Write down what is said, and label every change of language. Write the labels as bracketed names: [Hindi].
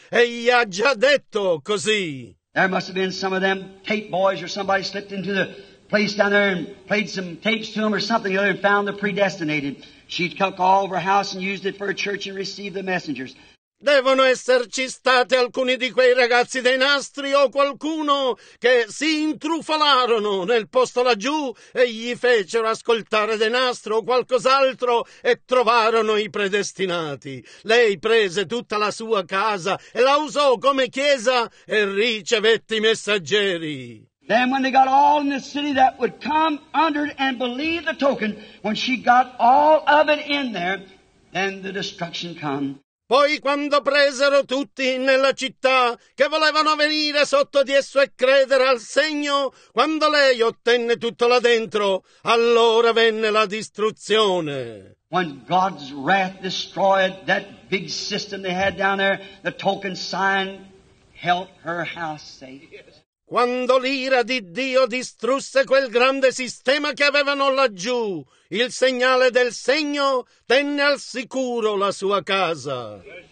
[Italian] Egli ha già detto così. [English] There must have been some of them tape boys or somebody slipped into the place down there and played some tapes to him or something other and found the predestinated. She'd cook all over her house and used it for a church and received the messengers. [Italian] Devono esserci stati alcuni di quei ragazzi dei nastri o qualcuno che si intrufolarono nel posto laggiù e gli fecero ascoltare dei nastri o qualcos'altro e trovarono i predestinati. Lei prese tutta la sua casa e la usò come chiesa e ricevette i messaggeri. [English] Then when they got all in the city that would come under it and believe the token, when she got all of it in there, then the destruction come. [Italian] Poi quando presero tutti nella città che volevano venire sotto di esso e credere al segno, quando lei ottenne tutto là dentro, allora venne la distruzione. [English] When God's wrath destroyed that big system they had down there, the token sign held her house safe. [Italian] Quando l'ira di Dio distrusse quel grande sistema che avevano laggiù, il segnale del segno tenne al sicuro la sua casa.